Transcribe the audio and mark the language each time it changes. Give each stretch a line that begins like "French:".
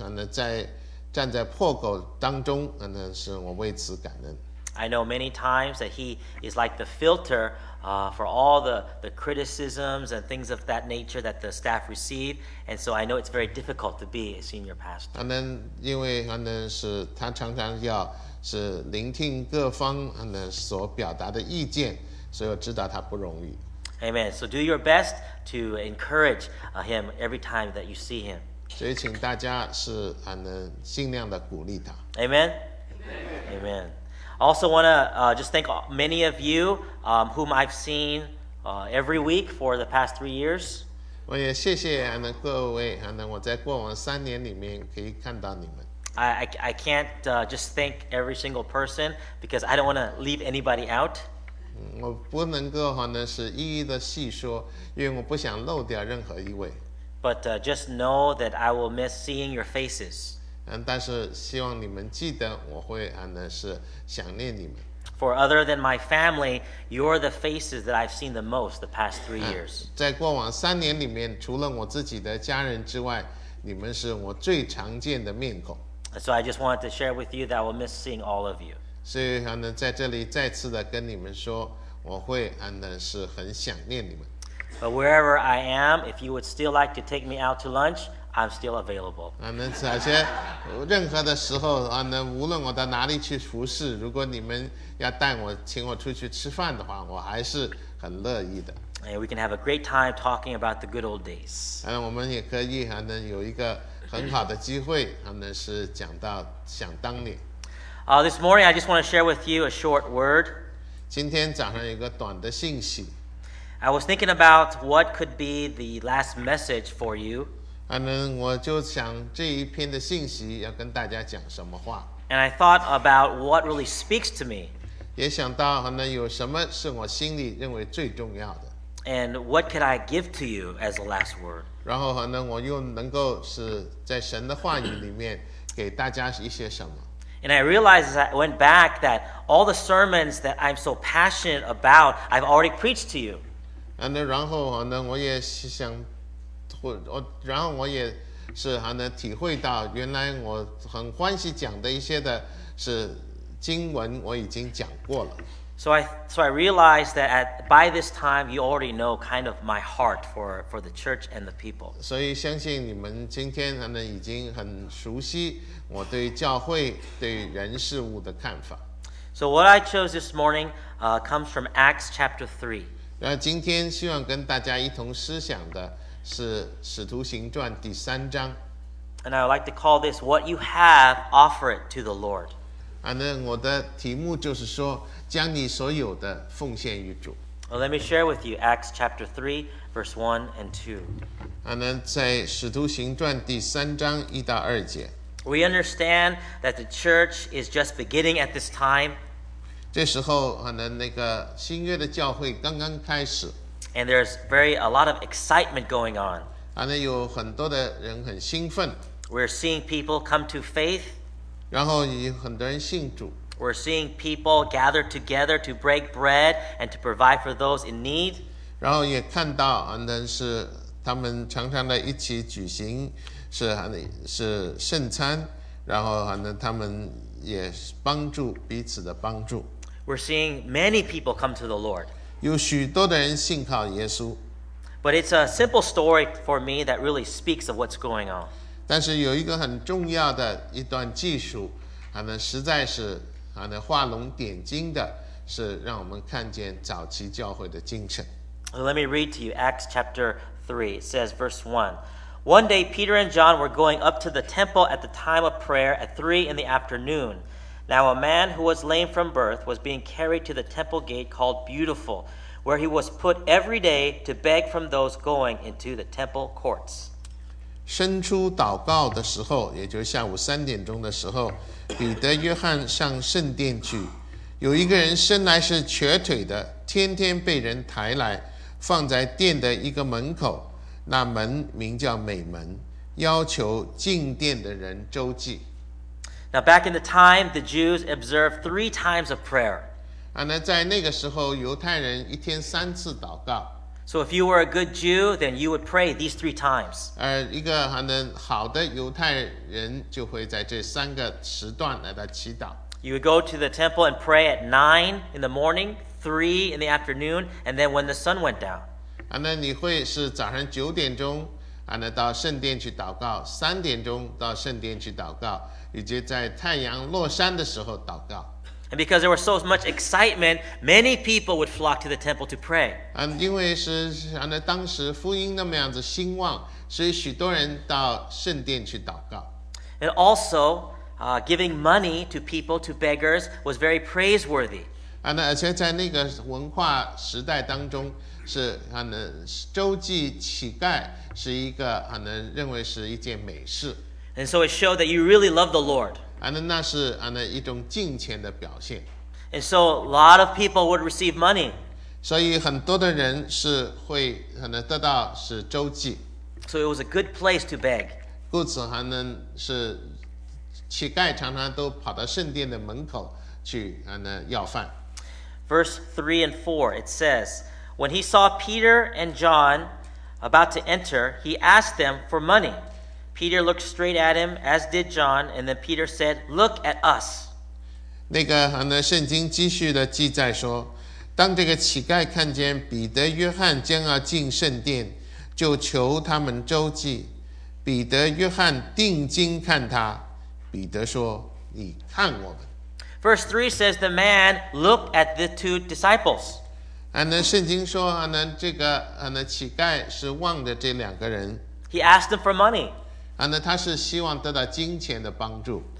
Chinese: 在站在破口当中，是我为此感恩。
English: I know many times that he is like the filter for all the criticisms and things of that nature that the staff receive, and so I know it's very difficult to be a senior pastor.
Chinese: 因为是他常常要是聆听各方所表达的意见，所以我知道他不容易。
English: Amen. So do your best to encourage him every time that you see him.
Chinese: 所以请大家是尽量的鼓励他。
English: Amen. Amen. Amen. I also want to just thank many of you whom I've seen every week for the past 3 years.
Chinese: 我也谢谢各位，我在过往三年里面可以看到你们。
English: I can't just thank every single person because I don't want to leave anybody out.
Chinese: 我不能够是一一的细说，因为我不想漏掉任何一位。
English: But just know that I will miss seeing your faces.
Chinese: 但是希望你们记得，我会是想念你们。
English: For other than my family, you're the faces that I've seen the most the past 3 years.
Chinese: 在过往三年里面，除了我自己的家人之外，你们是我最常见的面孔。
English: So I just wanted to share with you that I will miss seeing all of you.
Chinese: 所以在这里再次的跟你们说，我会是很想念你们。
English: But wherever I am, if you would still like to take me out to lunch, I'm still available.
Chinese: 而且任何的时候无论我到哪里去服侍，如果你们要带我请我出去吃饭的话，我还是很乐意的。
English: And we can have a great time talking about the good old days.
Chinese: 我们也可以有一个很好的机会是讲到想当年。
English: This morning I just want to share with you a short word.
Chinese: 今天早上有一个短的信息。
English: I was thinking about what could be the last message for you.
Chinese: 我就想这一篇的信息要跟大家讲什么话。
English: And I thought about what really speaks to me.
Chinese: 也想到可能有什么是我心里认为最重要的。
English: And what could I give to you as the last word?
Chinese: 然后可能我又能够是在神的话语里面给大家一些什么。
English: And I realized as I went back that all the sermons that I'm so passionate about, I've already preached to you.
Chinese: And 然后可能我也想，然后我也是可能体会到原来我很欢喜讲的一些的是经文我已经讲过了。
English: So I realized that at, by this time, you already know kind of my heart for the church and the people.
Chinese: 所以相信你们今天可能已经很熟悉我对教会对人事物的看法。
English: So what I chose this morning, comes from Acts chapter 3.
Chinese: 然后今天希望跟大家一同思想的是使徒行传第三章。
English: And I would like to call this, what you have, offer it to the Lord.
Chinese: 我的题目就是说将你所有的奉献于主。
English: Well, let me share with you Acts chapter 3, verse 1 and 2.
Chinese: 在使徒行传第三章一到二节。
English: We understand that the church is just beginning at this time.
Chinese: 这时候可能那个新约的教会刚刚开始。
English: And there's a lot of excitement going on.
Chinese: 可能有很多的人很兴奋。
English: We're seeing people come to faith.
Chinese: 然后有很多人信主。
English: We're seeing people gather together to break bread and to provide for those in need.
Chinese: 然后也看到可能是他们常常的一起举行是圣餐，然后可能他们也帮助彼此的帮助。
English: We're seeing many people come to the Lord.
Chinese: 有许多的人信靠耶稣。
English: But it's a simple story for me that really speaks of what's going on.
Chinese: 但是有一个很重要的一段记述，可能实在是可能画龙点睛的，是让我们看见早期教会的精神。
English: Let me read to you Acts chapter 3. It says verse 1. One day, Peter and John were going up to the temple at the time of prayer at 3:00 p.m. Now, a man who was lame from birth was being carried to the temple gate called Beautiful, where he was put every day to beg from those going into the temple courts.
Chinese: 伸出祷告的时候，也就是下午3:00的时候，彼得、约翰上圣殿去。有一个人生来是瘸腿的，天天被人抬来，放在殿的一个门口。那门名叫美门，要求进殿的人周济。
English: Now back in the time, the Jews observed 3 times of prayer.
Chinese: 在那个时候，犹太人一天三次祷告。
English: So if you were a good Jew, then you would pray these 3 times.
Chinese: 一个好的犹太人就会在这三个时段来到祈祷。
English: You would go to the temple and pray at 9:00 a.m, 3:00 p.m, and then when the sun went down.
Chinese: 那你会是早上9:00到圣殿去祷告，3:00到圣殿去祷告，以及在太阳落山的时候祷告。
English: And because there was so much excitement, many people would flock to the temple to pray.
Chinese: 因为是当时福音那么样子兴旺，所以许多人到圣殿去祷告。
English: And also, giving money to people, to beggars, was very praiseworthy.
Chinese: 而且在那个文化时代当中是周济乞丐是一个认为是一件美事。
English: And so it showed that you really love the Lord.
Chinese: 那是一种敬虔的表现。
English: And so a lot of people would receive money.
Chinese: 所以很多的人是会得到是周济。
English: So it was a good place to beg.
Chinese: 故此是乞丐常常都跑到圣殿的门口去要饭。
English: Verse 3 and 4, it says,When he saw Peter and John about to enter, he asked them for money. Peter looked straight at him, as did John, and then Peter said, Look at us.
Chinese: 那个圣经继续的记载说，当这个乞丐看见彼得、约翰将要进圣殿，就求他们周济。彼得、约翰定睛看他，彼得说，你看我们。
English: Verse 3 says the man looked at the 2 disciples.
Chinese: 圣经说这个乞丐是望着这两个人。
English: He asked them for money.
Chinese: 他是希望得到金钱的帮助。